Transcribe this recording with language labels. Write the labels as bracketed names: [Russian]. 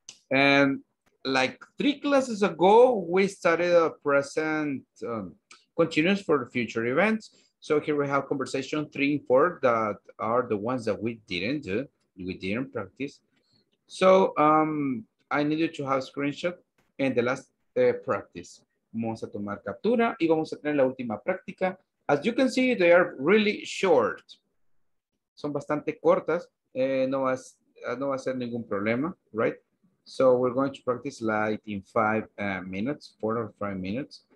[English] And like 3 classes ago, we started a present continuous for future events. So here we have conversation 3 and 4 that are the ones that we didn't do, we didn't practice. So I need you to have screenshot in the last practice. [Spanish] Vamos a tomar captura y vamos a tener la última práctica. [English] As you can see, they are really short. [Spanish] Son bastante cortas. No va a ser ningún problema, [English] right? So we're going to practice light in 4 or 5 minutes.